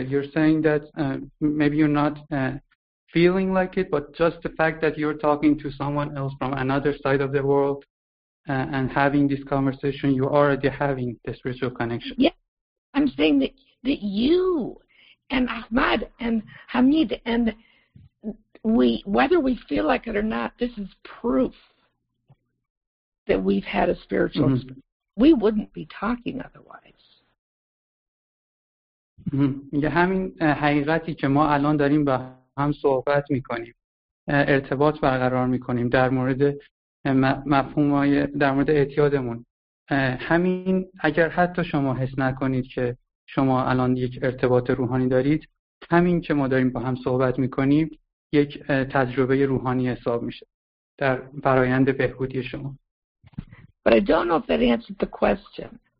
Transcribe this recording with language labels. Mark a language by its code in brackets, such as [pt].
[en] You're saying that maybe you're not feeling like it, but just the fact that you're talking to someone else from another side of the world and having this conversation, you're already having the spiritual connection. Yeah, I'm saying that you and Ahmad and Hamid and whether we feel like it or not, this is proof that we've had a spiritual mm-hmm. experience. We wouldn't be talking otherwise. [fa] یه همین حقیقتی که ما الان داریم با هم صحبت میکنیم، ارتباط برقرار میکنیم در مورد مفهومای در مورد اعتیادمون. همین اگر حتی شما حس نکنید که شما الان یک ارتباط روحانی دارید، همین که ما داریم با هم صحبت میکنیم یک تجربه روحانی حساب میشه در فرایند بهبودی شما. [en] But I don't know if that answered the question.